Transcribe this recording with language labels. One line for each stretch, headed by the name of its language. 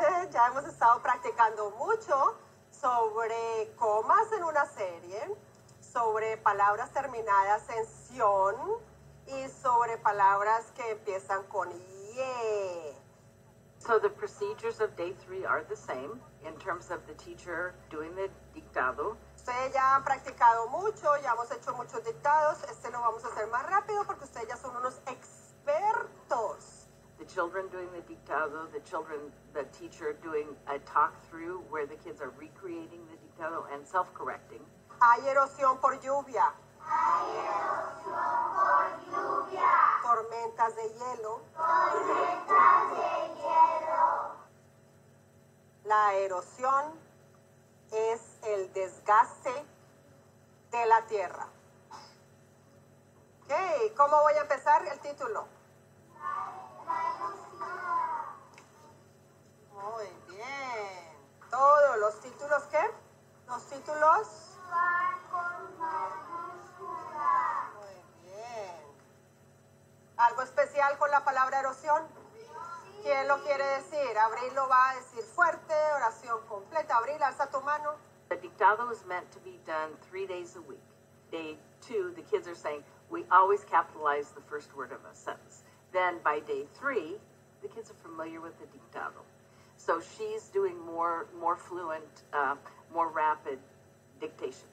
Spanish: Ya hemos estado practicando mucho sobre comas en una serie, sobre palabras terminadas en sión y sobre palabras que empiezan con ye.
English: So the procedures of day 3 are the same in terms of the teacher doing the dictado.
Spanish: Ustedes ya han practicado mucho, ya hemos hecho muchos dictados. Este lo vamos a hacer más rápido porque ustedes ya son unos expertos.
English: The the children doing the dictado, the children, the teacher doing a talk through where the kids are recreating the dictado and self-correcting.
Spanish: Hay erosión por lluvia. Hay erosión por lluvia. Tormentas de hielo. Tormentas de hielo. La erosión es el desgaste de la tierra. Okay, ¿cómo voy a empezar el título? Muy bien. Todos los títulos, ¿qué? Los títulos. Muy bien. ¿Algo especial con la palabra erosión? ¿Quién lo quiere decir? Abril lo va a decir fuerte, oración completa. Abril, alza tu mano.
English: The dictado is meant to be done 3 days a week. Day two, the kids are saying, we always capitalize the first word of a sentence. Then by day three, the kids are familiar with the dictado. So she's doing more fluent, more rapid dictation.